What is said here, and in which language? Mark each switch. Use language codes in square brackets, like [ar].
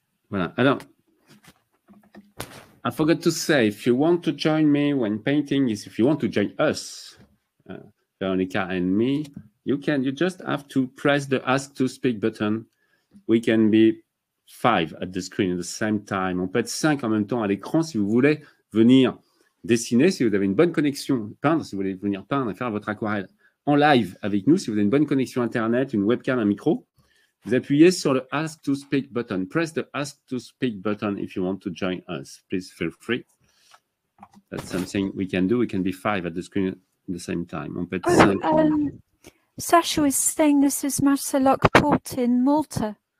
[fr] Voilà, alors [en] I forgot to say, if you want to join me when painting is if you want to join us, Veronica and me, you just have to press the ask to speak button. We can be five at the screen at the same time. [fr] On peut être cinq en même temps à l'écran si vous voulez venir dessiner, si vous avez une bonne connexion, peindre, si vous voulez venir peindre et faire votre aquarelle en live avec nous, si vous avez une bonne connexion Internet, une webcam, un micro, vous appuyez sur le ask to speak button. [en] Press the ask to speak button if you want to join us. Please feel free. That's something we can do. We can be five at the screen. The same time. [fr] On peut être cinq. [en] Sasha is saying this is Marcelloch Port in Malta.